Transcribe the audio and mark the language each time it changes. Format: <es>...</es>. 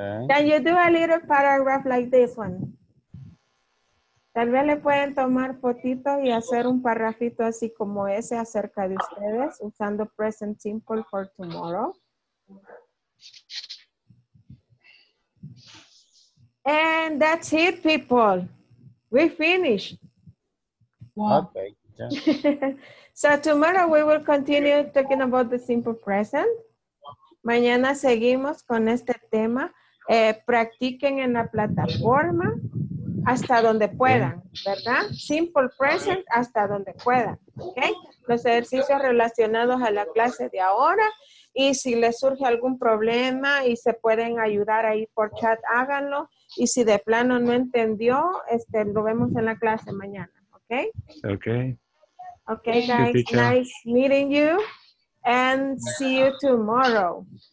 <en>Can you do a little paragraph like this one?</en> <es>Tal vez le pueden tomar fotito y hacer un parrafito así como ese acerca de ustedes usando</es> <en>present simple for tomorrow. And that's it, people. We finished. Okay. So tomorrow we will continue talking about the simple present.</en> <es>Mañana seguimos con este tema. Practiquen en la plataforma hasta donde puedan, ¿verdad? Simple present hasta donde puedan, ¿ok? Los ejercicios relacionados a la clase de ahora. Y si les surge algún problema y se pueden ayudar ahí por chat, háganlo. Y si de plano no entendió, lo vemos en la clase mañana, ¿ok? Ok.</es> <en>Okay, guys, nice meeting you and see you tomorrow.</en>